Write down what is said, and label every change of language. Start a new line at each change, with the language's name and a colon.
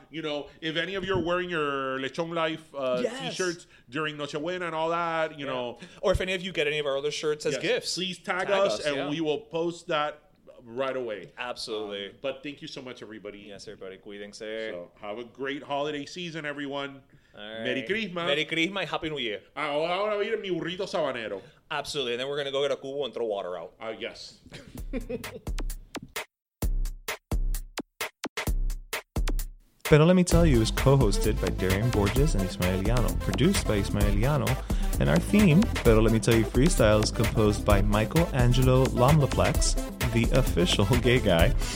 English: You know, if any of you are wearing your Lechon Life t-shirts during Nochebuena and all that, you know. Or if any of you get any of our other shirts as gifts. Please tag us and we will post that right away. Absolutely. But thank you so much, everybody. Yes, everybody.
Spanish: Cuídense.
English: So have a great holiday season, everyone. Right. Merry Christmas. Merry Christmas and Happy New Year.
Spanish: Ahora voy a ir a mi burrito sabanero.
English: Absolutely. And then we're going to go get a cubo and throw water out. Yes. Pero Let Me Tell You is co-hosted by Darian Borges and Ismael Llano, produced by Ismael Llano, and our theme, Pero Let Me Tell You Freestyle, is composed by Michelangelo Lomlaplex, the official gay guy.